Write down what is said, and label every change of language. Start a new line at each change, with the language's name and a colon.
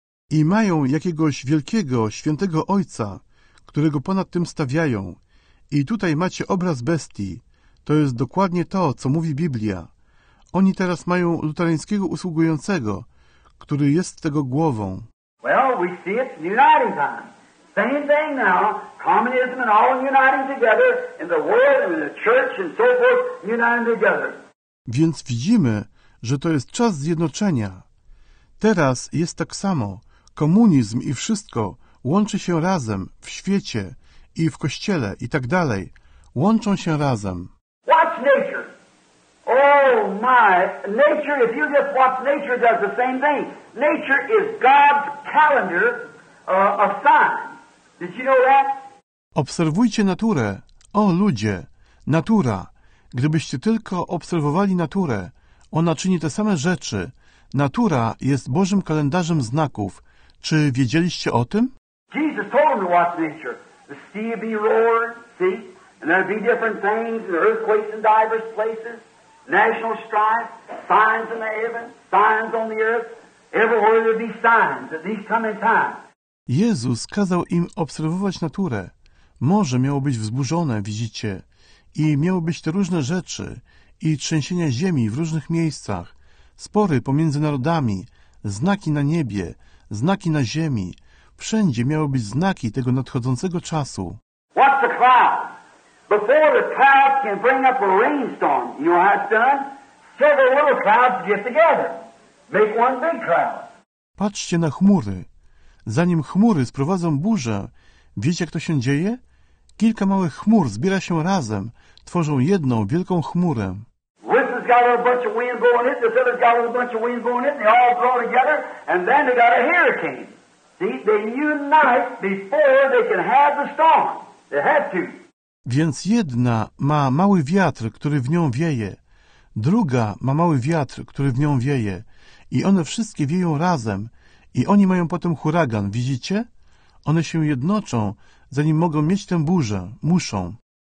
Polish: I mają jakiegoś wielkiego, świętego ojca, którego ponad tym stawiają. I tutaj macie obraz bestii. To jest dokładnie to, co mówi Biblia. Oni teraz mają luterańskiego usługującego, który jest tego głową.
English: Well, we see it in uniting time. Same thing now, communism and all uniting together in the world and in the church and so forth, uniting together.
Polish: Więc widzimy, że to jest czas zjednoczenia. Teraz jest tak samo. Komunizm i wszystko łączy się razem w świecie i w kościele i tak dalej. Łączą się razem.
English: Watch nature. Oh, my. Nature, if you just watch, nature does the same thing. Nature is God's calendar of signs. Did you know that?
Polish: Obserwujcie naturę. O, ludzie. Natura. Gdybyście tylko obserwowali naturę, ona czyni te same rzeczy. Natura jest Bożym kalendarzem znaków. Czy wiedzieliście o tym?
English: Jesus told them to watch nature. The sea be roared, see? And there'd be different things, and earthquakes in diverse places, national strife, signs in the heaven, signs on the earth. Everywhere there'd be signs at these coming times.
Polish: Jezus kazał im obserwować naturę. Morze miało być wzburzone, widzicie. I miały być te różne rzeczy, i trzęsienia ziemi w różnych miejscach, spory pomiędzy narodami, znaki na niebie, znaki na ziemi. Wszędzie miały być znaki tego nadchodzącego czasu.
English: What's the cloud? Before the cloud can bring up a rainstorm, you know how it's done? Several little clouds get together. Make one big cloud.
Polish: Patrzcie na chmury. Zanim chmury sprowadzą burzę, wiecie, jak to się dzieje? Kilka małych chmur zbiera się razem, tworzą jedną wielką chmurę.
English: This has got a bunch of wind going in, this other's got a bunch of wind going in, they all blow together, and then they got a hurricane. See, they unite before they can have the storm. They had to.
Polish: Więc jedna ma mały wiatr, który w nią wieje. Druga ma mały wiatr, który w nią wieje. I one wszystkie wieją razem. I oni mają potem huragan, widzicie? One się jednoczą, zanim mogą mieć tę burzę, muszą.